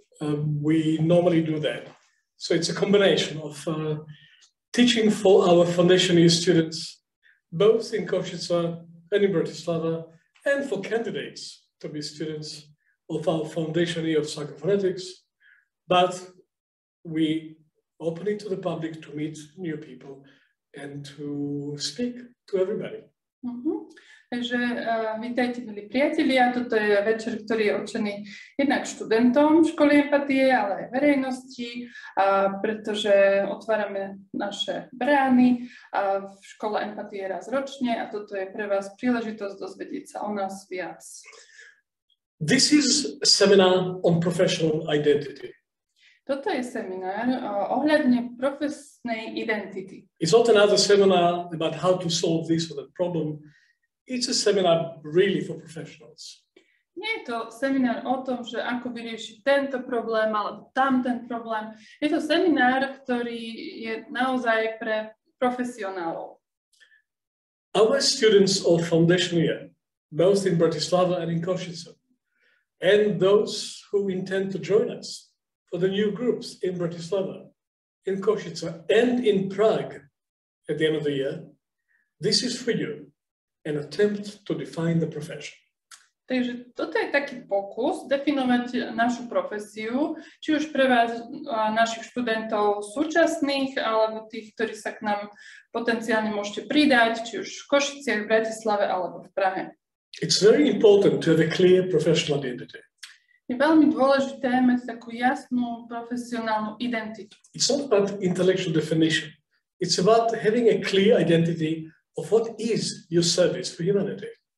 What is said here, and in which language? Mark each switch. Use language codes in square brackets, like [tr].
[en] We normally do that. So it's a combination of teaching for our foundation year students, both in Košice and in Bratislava, and for candidates to be students of our foundation year of psychophonetics. But we open it to the public to meet new people and to speak to everybody. Mm-hmm. [sk] Takže vítajte, milí priatelia, toto je večer, ktorý je určený jednak študentom školy empatie, ale aj verejnosti, pretože otvárame naše brány v škole empatie raz ročne a toto je pre vás príležitosť dozvedieť sa o nás viac. [en] This is seminar on professional identity. [sk] Toto je seminár ohľadne profesnej identity. [en] It's not another seminar about how to solve this or that problem. It's a seminar really for professionals. [sk] Nie je to seminár o tom, že ako vyriešiť tento problém alebo tamten problém. Je to seminár, ktorý je naozaj pre profesionálov. [en] Our students of foundation year, both in Bratislava and in Košice, and those who intend to join us for the new groups in Bratislava, in Košice, and in Prague at the end of the year, this is for you. An attempt to define the profession. [sk] Takže toto je taký pokus definovať našu profesiu, či už pre vás našich študentov súčasných, alebo tých, ktorí sa k nám potenciálne môžete pridať, či už v Košiciach, v Bratislave alebo v Prahe. [en] It's very important to have a clear professional identity. [sk] Je veľmi dôležité mať takú jasnú profesionálnu identitu. [en] It's not about intellectual definition. It's about having a clear identity of what is your service for humanity.